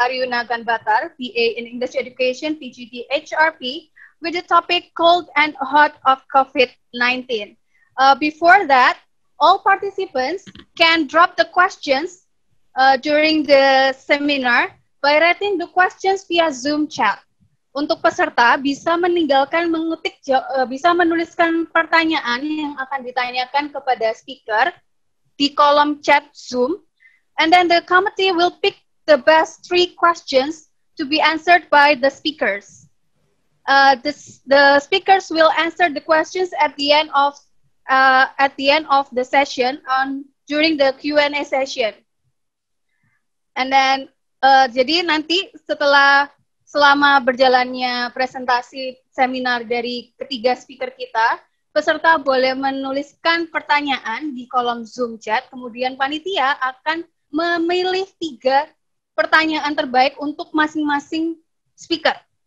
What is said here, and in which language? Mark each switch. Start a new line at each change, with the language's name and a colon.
English: Ariunaa Ganbaatar, PA in English Education, PGD HRP, with the topic Cold and Hot of COVID-19. Before that, all participants can drop the questions during the seminar by writing the questions via Zoom chat.
Indonesian: Untuk peserta bisa meninggalkan mengetik bisa menuliskan pertanyaan yang akan ditanyakan kepada speaker di kolom chat Zoom.
English: And then the committee will pick the best three questions to be answered by the speakers. The speakers will answer the questions at the end of the session on during the Q&A session. And then
Indonesian: jadi nanti selama berjalannya presentasi seminar dari ketiga speaker kita, peserta boleh menuliskan pertanyaan di kolom Zoom chat, kemudian panitia akan memilih tiga pertanyaan terbaik untuk masing-masing speaker.